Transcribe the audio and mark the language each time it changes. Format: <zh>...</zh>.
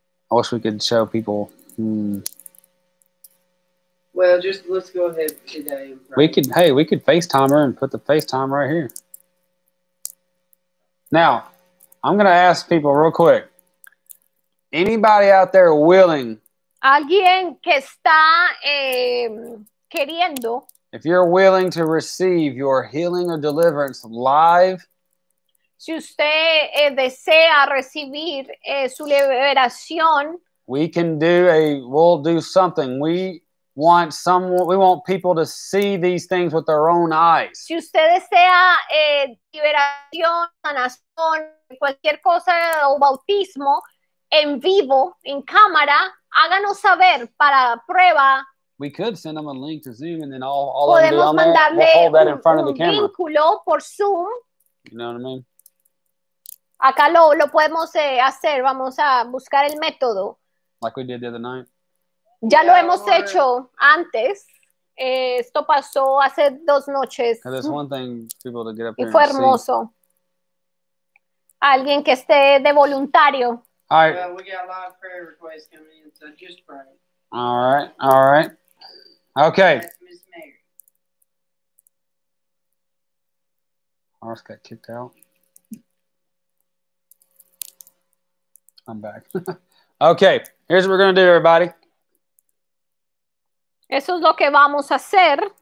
<en>I wish we could show people. Well, just let's go ahead today. We could FaceTime her and put the FaceTime right here. Now, I'm going to ask people real quick. Anybody out there willing?</en> <es>Alguien que está queriendo.</es> <en>If you're willing to receive your healing or deliverance live.</en> <es>Si usted desea recibir su liberación.</es> <en>We can do we'll do something. We want people to see these things with their own eyes.</en> <es>Si usted desea liberación, sanación, cualquier cosa o bautismo en vivo, en cámara, háganos saber para prueba.</es> <en>We could send them a link to Zoom and then all of them do on that. We'll hold that in front of the camera.</en> <es>Podemos mandarle un vínculo por Zoom.</es> <en>You know what I mean?</en> <es>Acá lo podemos hacer. Vamos a buscar el método.</es> <en>Like we did the other night.</en> <es>Ya lo hemos hecho antes. Esto pasó hace dos noches.</es> <en>There's one thing people to get up</en> <es>y fue hermoso.</es> <en>See.</en> <es>Alguien que esté de voluntario.</es> <en>All right. Well, we got a lot of prayer requests coming in, so just pray. All right, all right. Okay. Miss Mary. Horace got kicked out. I'm back. Okay, here's what we're going to do, everybody.</en> <es>Eso es lo que vamos a hacer.</es>